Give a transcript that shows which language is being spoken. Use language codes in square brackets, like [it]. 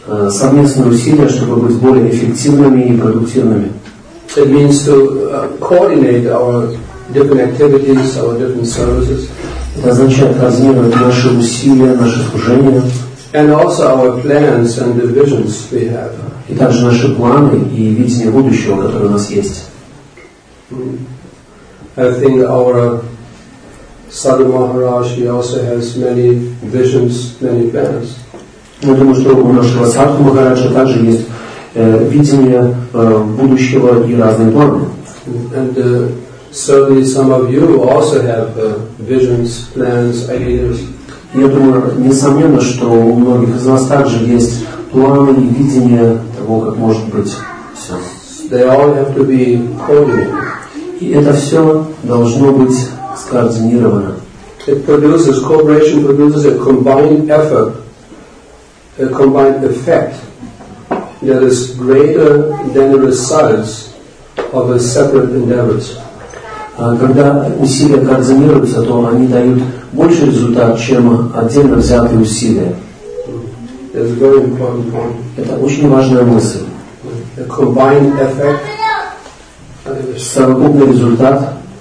[ru] Совместные усилия, чтобы быть более эффективными и продуктивными. [en] It means to coordinate our different activities, our different services. [ru] Это означает координировать наши усилия, наши служения. [en] And also our plans and the visions we have. [ru] И также наши планы и видение будущего, которое у нас есть. [en] I think our Sadhu Maharaj, he also has many visions, many plans. [ru] Я думаю, что у нашего Садху Махараджа также есть видение будущего и разные планы. [en] And certainly some of you also have visions, plans, ideas. [ru] Я думаю, несомненно, что у многих из нас также есть планы и видение того, как может быть все. [en] They all have to be coordinated. [ru] И это все должно быть скоординировано. [en] It produces, cooperation produces a combined effort. A combined effect that is greater than the results of a separate endeavor. [ru] Когда усилия координируются, то они дают больше результат, чем отдельно взятые усилия. [en] That's a very important point. [ru] Это очень важная мысль. [en] A combined effect, [ru] совокупный результат,